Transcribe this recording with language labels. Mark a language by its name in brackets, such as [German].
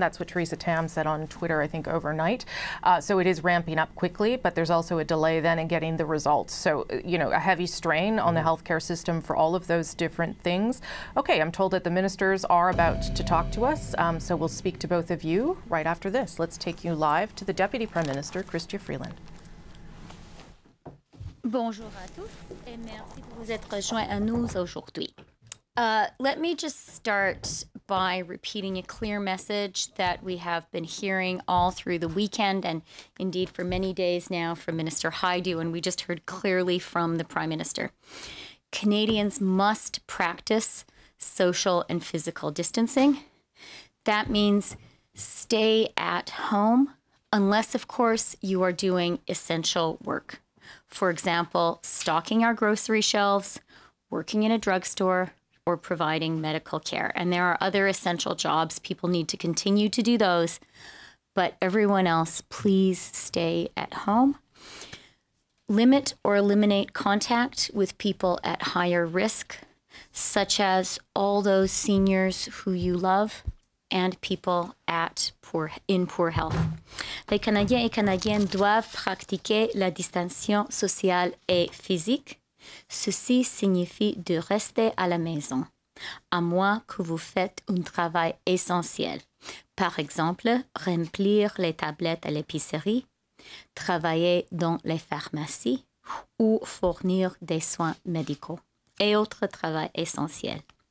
[English] That's what Theresa Tam said on Twitter, I think, overnight. So it is ramping up quickly, but there's also a delay then in getting the results. So, you know, a heavy strain on the healthcare system for all of those different things. Okay, I'm told that the ministers are about to talk to us, so we'll speak to both of you right after this. Let's take you live to the Deputy Prime Minister, Chrystia Freeland. [French] Bonjour à tous et merci de vous être joints à nous aujourd'hui. [English] Let me just start by repeating a clear message that we have been hearing all through the weekend and indeed for many days now from Minister Haidu, and we just heard clearly from the Prime Minister. Canadians must practice social and physical distancing. That means stay at home, unless, of course, you are doing essential work. For example, stocking our grocery shelves, working in a drugstore, or providing medical care. And there are other essential jobs. People need to continue to do those. But everyone else, please stay at home. Limit or eliminate contact with people at higher risk, such as all those seniors who you love, and people in poor health. [French] Les Canadiens et Canadiennes doivent pratiquer la distanciation sociale et physique. Ceci signifie de rester à la maison, à moins que vous faites un travail essentiel. Par exemple, remplir les tablettes à l'épicerie, travailler dans les pharmacies ou fournir des soins médicaux et autres travaux essentiels.